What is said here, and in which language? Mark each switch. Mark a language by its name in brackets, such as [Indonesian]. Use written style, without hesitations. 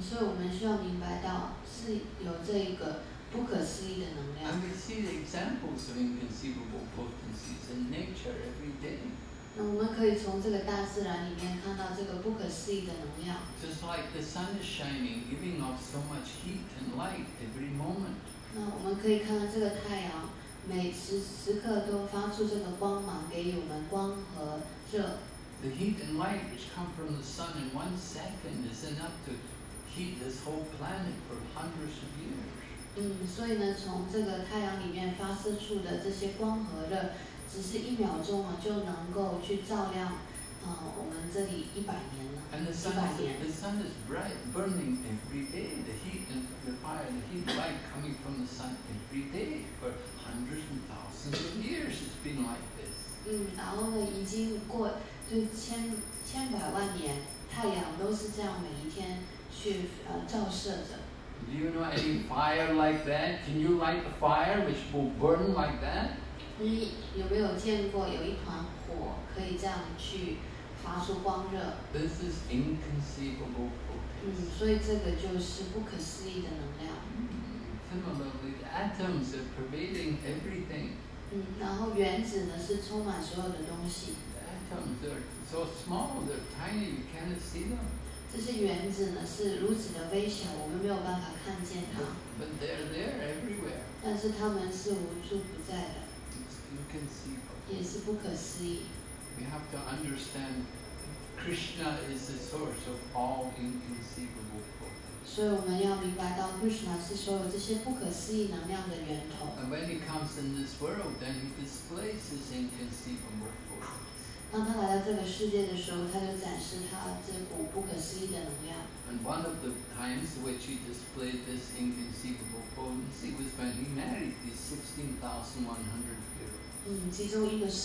[Chinese] 所以我们需要明白到是有这一个不可思议的能量。 [English] And we see the examples of inconceivable potencies in nature every day. [Chinese] 那我们可以从这个大自然里面看到这个不可思议的能量。 [English] Just like the sun is shining, giving off so much heat and light every moment. [Chinese] 那我们可以看到这个太阳每时时刻都发出这个光芒，给予我们光和热。 [English] The heat and light which come from the sun in one second is enough to heat this whole planet for hundreds of years. [Chinese] 所以呢，从这个太阳里面发射出的这些光和热。只是一秒钟啊，就能够去照亮，我们这里一百年了，一百年。 [English] The sun is bright, burning every day. The heat and the fire, the heat and light coming from the sun every day for hundreds and thousands of years. It's been like this. [Chinese] 然后呢，已经过就千百万年，太阳都是这样每一天去照射着。 [English] Do you know any fire like that? Can you light the fire which will burn like that? [Chinese] 你有没有见过有一团火可以这样去发出光热？ [English] This is inconceivable potency. [Chinese] 所以这个就是不可思议的能量。 [English] It's similarly, the atoms are pervading everything. [Chinese] 然后原子呢是充满所有的东西。 [English] The atoms are so small, they're tiny, you cannot see them. [Chinese] 这些原子呢是如此的微小，我们没有办法看见它。 [English] But they're there everywhere. [Chinese] 但是它们是无处不在的。 [English] You can see. [Chinese] 也是不可思议。 [English] We have to understand Krishna is the source of all inconceivable forces. [Chinese] 所以我们要明白到 Krishna 是所有这些不可思议能量的源头。 [English] And when he comes in this world, then he displays his inconceivable forces. [Chinese] 当他来到这个世界的时候，他就展示他这股不可思议的能量。 [English] And one of the times which he displayed this inconceivable potency was when he married these 16,100 people.